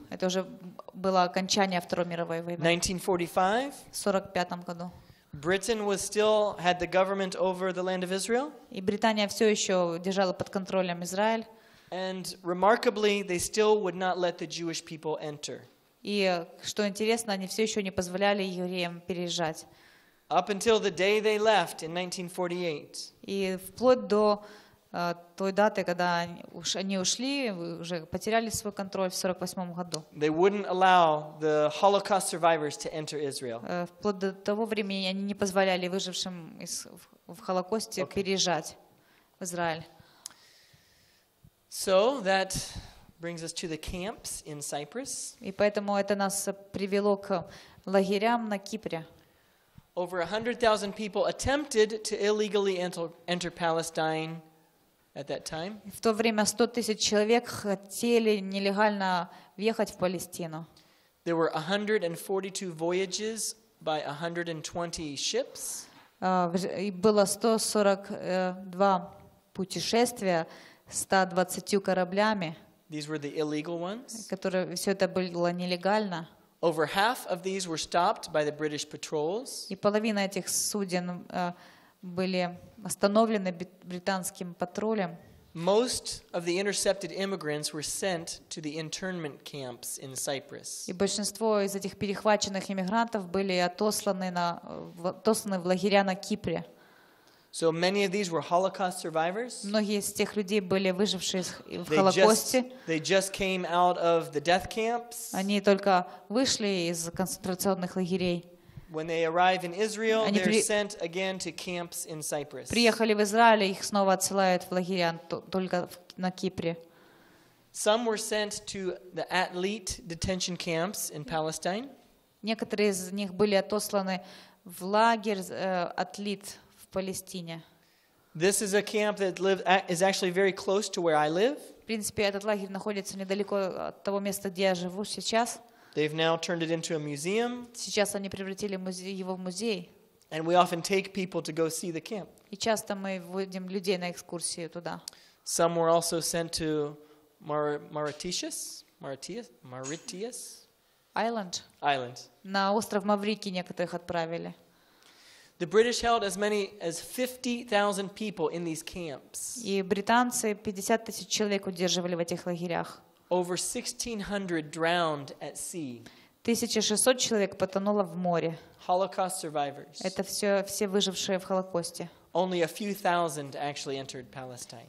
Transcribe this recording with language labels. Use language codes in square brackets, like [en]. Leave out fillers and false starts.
[ru] Это уже было окончание Второй мировой войны. 1945. В 45-м году. [en] Britain was still had the government over the land of Israel. [ru] И Британия все еще держала под контролем Израиль. [en] And remarkably, they still would not let the Jewish people enter. [ru] И что интересно, они все еще не позволяли евреям переезжать. [en] Up until the day they left in 1948. [ru] И вплоть до той даты, когда они ушли, уже потеряли свой контроль в 48-м году. [en] They wouldn't allow the Holocaust survivors to enter Israel. [ru] Вплоть до того времени они не позволяли выжившим в Холокосте переезжать в Израиль. [en] So that brings us to the camps in Cyprus. [ru] И поэтому это нас привело к лагерям на Кипре. [en] Over 100,000 people attempted to illegally enter Palestine at that time. [ru] В то время 100,000 человек хотели нелегально въехать в Палестину. [en] There were 142 voyages by 120 ships. [ru] И было 142 путешествия 120 кораблями. [en] These were the illegal ones. [ru] Которые всё это было нелегально. [en] Over half of these were stopped by the British patrols. [ru] И половина этих суден были остановлены британским патрулем. [en] Most of the intercepted immigrants were sent to the internment camps in Cyprus. [ru] И большинство из этих перехваченных иммигрантов были отосланы в лагеря на Кипре. [en] So many of these were Holocaust survivors. [ru] Многие из тех людей были выжившие в Холокосте. [en] They just came out of the death camps. [ru] Они только вышли из концентрационных лагерей. [en] When they arrive in Israel, they're sent again to camps in Cyprus. [ru] Приехали в Израиль, их снова отсылают в лагеря только на Кипре. [en] Some were sent to the Atlit detention camps in Palestine. [ru] Некоторые из них были отосланы в лагерь Атлит в Палестине. [en] This is a camp that is actually very close to where I live. [ru] В принципе, этот лагерь находится недалеко от того места, где я живу сейчас. [en] They've now turned it into a museum. [ru] Сейчас они превратили его в музей. [en] And we often take people to go see the camp. [ru] И часто мы вводим людей на экскурсию туда. [en] Some were also sent to Mauritius Island. [ru] На остров Маврикий некоторых отправили. [en] The British held as many as 50,000 people in these camps. [ru] И британцы 50,000 человек удерживали в этих лагерях. [en] Over 1,600 drowned at sea. [ru] 1,600 человек потонуло в море. [en] Holocaust survivors. [ru] Это все выжившие в Холокосте. [en] Only a few thousand actually entered Palestine.